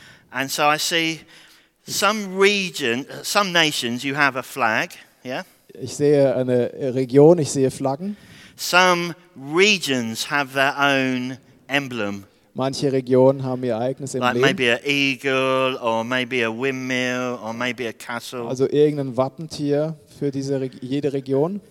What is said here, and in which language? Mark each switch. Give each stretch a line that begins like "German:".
English: And so I see some region, some nations. You have a flag, yeah.
German: Ich sehe eine Region. Ich sehe Flaggen.
English: Some regions have their own emblem.
German: Manche Regionen haben ihr eigenes Emblem.
English: Like maybe an eagle or maybe a windmill or maybe a castle.
German: Also irgendein Wappentier für diese jede Region.